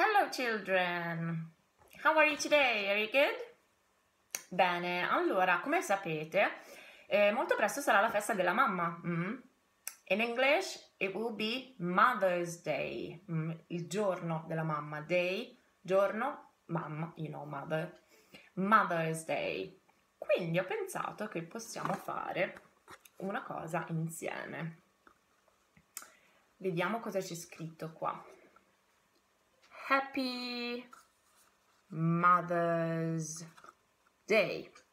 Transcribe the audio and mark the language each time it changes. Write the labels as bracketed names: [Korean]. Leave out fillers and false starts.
[English] Children, how are you today? Are you good? [Italian] Bene, allora, come sapete, molto presto sarà la festa della mamma. [English] In English it will be Mother's Day, [Italian] il giorno della mamma. [English] Day, [Italian] giorno, mamma, [English] you know, mother. Mother's Day. [Italian] Quindi ho pensato che possiamo fare una cosa insieme. Vediamo cosa c'è scritto qua. [English] Happy Mother's Day.